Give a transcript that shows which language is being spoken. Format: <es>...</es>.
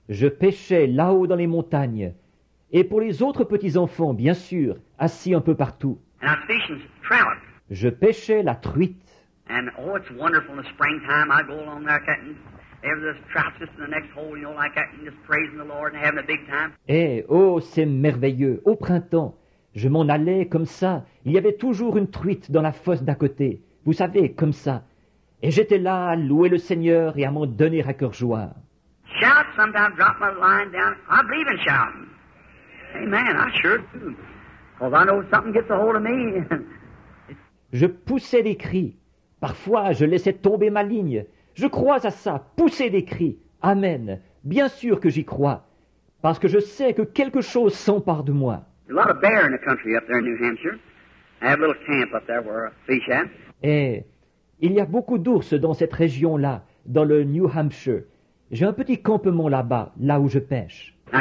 <fr>Je pêchais là-haut dans les montagnes, et pour les autres petits enfants, bien sûr, assis un peu partout.</fr> <en>And I was fishing trout.</en> <fr>Je pêchais la truite.</fr> <en>And oh, it's wonderful in the springtime. I go along there catching every trout just in the next hole, you know, like that, and just praising the Lord and having a big time.</en> <fr>Et oh, c'est merveilleux. Au printemps, je m'en allais comme ça. Il y avait toujours une truite dans la fosse d'à côté. Vous savez, comme ça. Et j'étais là à louer le Seigneur et à m'en donner à cœur joie.</fr> <en>Shout sometimes, drop my line down. I believe in shouting. Amen, I sure do. Because I know something gets a hold of me.</en> <fr>Je poussais des cris. Parfois, je laissais tomber ma ligne. Je crois à ça, pousser des cris. Amen. Bien sûr que j'y crois. Parce que je sais que quelque chose s'empare de moi.</fr> <en>A lot of bear in the country up there in New Hampshire. I have a little camp up there where a fish at.</en> <fr>Et... Il y a beaucoup d'ours dans cette région-là, dans le New Hampshire. J'ai un petit campement là-bas, là où je pêche.</fr>